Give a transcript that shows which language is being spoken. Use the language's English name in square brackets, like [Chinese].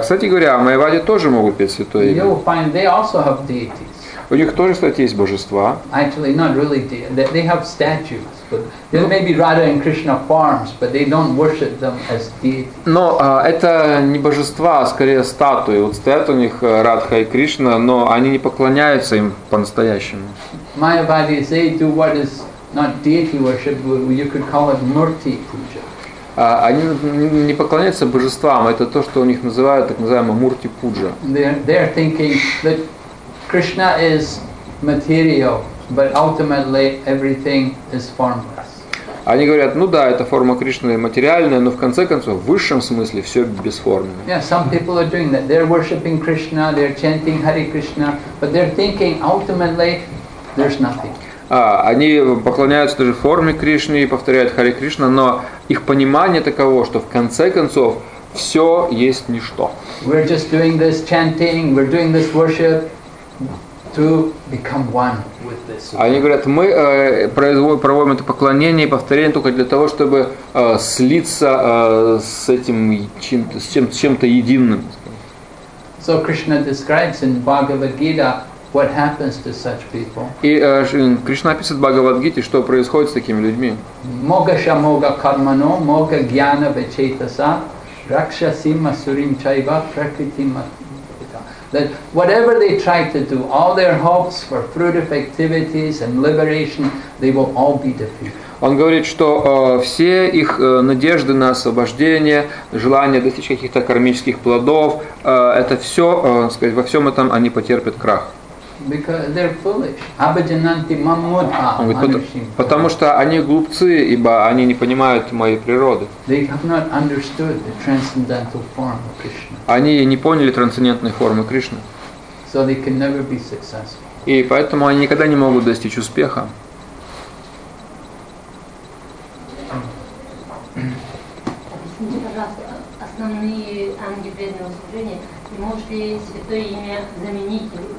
[Russian] Кстати говоря, Майявади тоже могут петь святое имя. [English] You will find they also have deities. [Russian] У них тоже, кстати, есть божества. [English] Actually, not really deities. They have statues, but there may be Radha and Krishna forms, but they don't worship them as deities. [Russian] Но это не божества, а скорее статуи. Вот стоят у них Радха и Кришна, но они не поклоняются им по-настоящему. [English] Mayavadis, they do what is not deity worship, but you could call it murti puja. [Russian] Они не поклоняются божествам, это то, что у них называют так называемый мурти пуджа. [English] They're thinking that Krishna is material, but ultimately everything is formless. [Russian] Они говорят, ну да, это форма Кришны материальная, но в конце концов, в высшем смысле, все бесформенно. [English] Yeah, some people are doing that. They're worshipping Krishna, they're chanting Hare Krishna, but they're thinking ultimately there's nothing. [Russian] Они поклоняются той же форме Кришны и повторяют Харе Кришна, но их понимание таково, что в конце концов все есть ничто. [English] We're just doing this chanting, we're doing this worship to become one with this. [Russian] Они говорят, мы проводим это поклонение и повторение только для того, чтобы слиться с этим чем-то единым. [English] So Krishna describes in Bhagavad Gita what happens to such people. [Russian] И Кришна описывает в Бхагавад-гите, что происходит с такими людьми. [Sanskrit] Могаша мога кармано, мога гьяна вечетаса, ракшасима сурим чайва пракрити матпита. [English] That whatever they try to do, all their hopes for fruitive activities and liberation, they will all be defeated. [Russian] Он говорит, что все их надежды на освобождение, желание достичь каких-то кармических плодов, это все, сказать, во всем этом они потерпят крах. [English] Because they're foolish. [Sanskrit] Abhijananti mamudha. [Russian] Потому что они глупцы, ибо они не понимают моей природы. [English] They have not understood the transcendental form of Krishna. [Russian] Они не поняли трансцендентной формы Кришны. [English] So they can never be successful. [Russian] И поэтому они никогда не могут достичь успеха. Объясните, пожалуйста, основные анги преданного служения, и может ли святое имя заменить